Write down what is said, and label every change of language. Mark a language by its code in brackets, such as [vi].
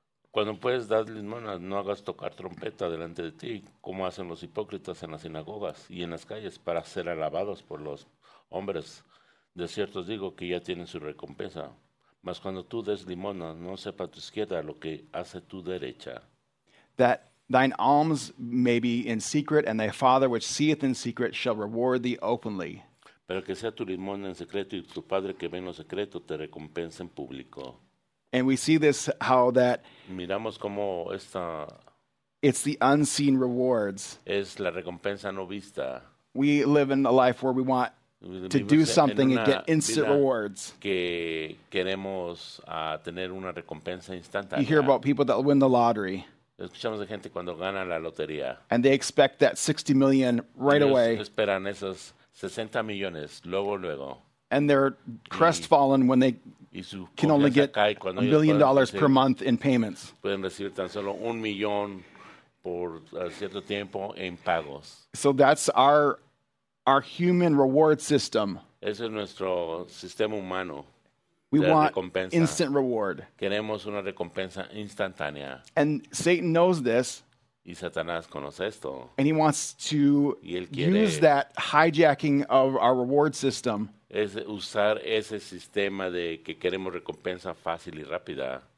[es] Cuando puedes dar limosnas, no hagas tocar trompeta delante de ti, como hacen los hipócritas en las sinagogas y en las calles para ser alabados por los hombres. De cierto os digo que ya tienen su recompensa. Mas cuando tú des limosna, no sepa tu izquierda lo que hace tu derecha. [en] That thine alms may be in secret, and thy Father which seeth in secret shall reward thee openly. [es] Pero que sea tu limosna en secreto, y tu Padre que ve en lo secreto te recompensa en público. [en] And we see this, how that [es] miramos como esta, [en] it's the unseen rewards. [es] Es la recompensa no vista. [en] We live in a life where we want to do something and get instant rewards. [es] Que queremos, tener una recompensa instantánea. [en] You hear about people that win the lottery. [es] Escuchamos de gente cuando gana la lotería. [en] And they expect that 60 million right away. [es] Ellos esperan esos 60 millones luego, luego. [en] And they're crestfallen when they can only get $1 billion per month in payments. [es] Pueden recibir tan solo un millón por cierto tiempo en pagos. [en] So that's our human reward system. [es] Ese es nuestro sistema humano. [en] We want instant reward. [es] Queremos una recompensa instantánea. [en] And Satan knows this. [es] Y Satanás conoce esto. [en] And he wants to use that hijacking of our reward system. [es] Es usar ese sistema de que queremos recompensa fácil y rápida.